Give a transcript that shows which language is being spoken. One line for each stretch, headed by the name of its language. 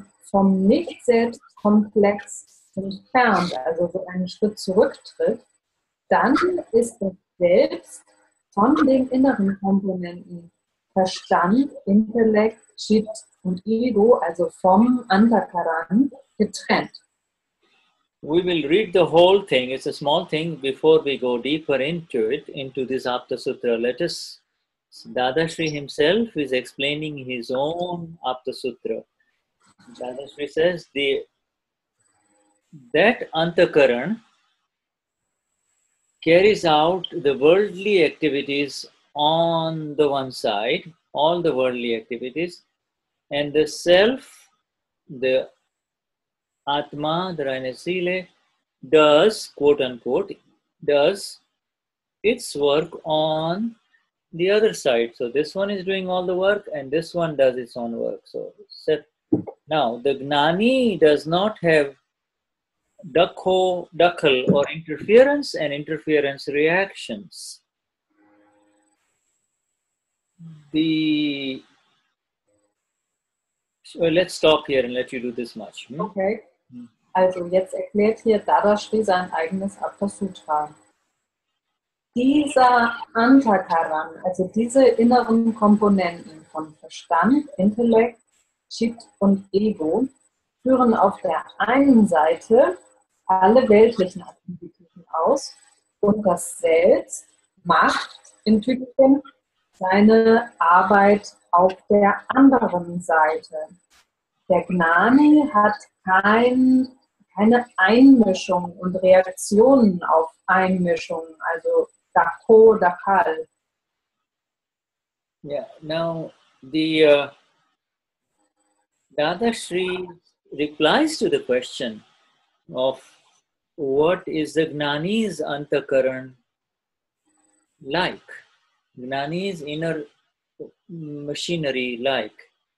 German: vom Nicht-Selbst komplex entfernt, also so einen Schritt zurücktritt, dann ist das Selbst von den inneren Komponenten Verstand, Intellekt, Chit und Ego, also vom Antakaran, getrennt.
English: We will read the whole thing. It's a small thing before we go deeper into it, into this Apta Sutra. Let us, Dadashri himself is explaining his own Apta Sutra. Dadashri says, that Antakaran carries out the worldly activities on the one side, all the worldly activities, and the self, the Atma, the Rhinocele, does, quote unquote, does its work on the other side. So this one is doing all the work and this one does its own work. So now the Gnani does not have Dukkha or interference and interference reactions. So let's stop here and let you do this much. Okay.
German: Also jetzt erklärt hier Dadashri sein eigenes Atta-Sutra. Dieser Antakaran, also diese inneren Komponenten von Verstand, Intellekt, Chit und Ego, führen auf der einen Seite alle weltlichen Aktivitäten aus und das Selbst macht in Tübingen seine Arbeit auf der anderen Seite. Der Gnani hat keine Einmischung und Reaktionen auf Einmischungen, also Dako, Dakal.
English: Ja, now the Dadashri replies to the question of what is the Gnani's Antakaran like? Gnani's inner machinery like?